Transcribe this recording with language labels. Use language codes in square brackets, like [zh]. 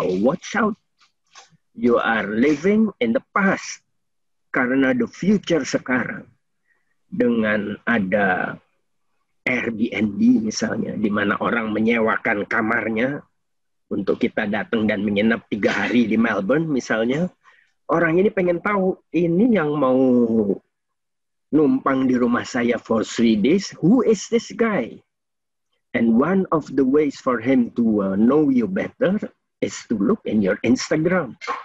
[en] Watch out, you are living in the past. [id] Karena [en] the future [id] sekarang, dengan ada Airbnb misalnya, di mana orang menyewakan kamarnya untuk kita datang dan menginap 3 hari di Melbourne misalnya, orang ini pengen tahu, ini yang mau numpang di rumah saya [en] for 3 days, who is this guy? And one of the ways for him to know you better is to look in your Instagram.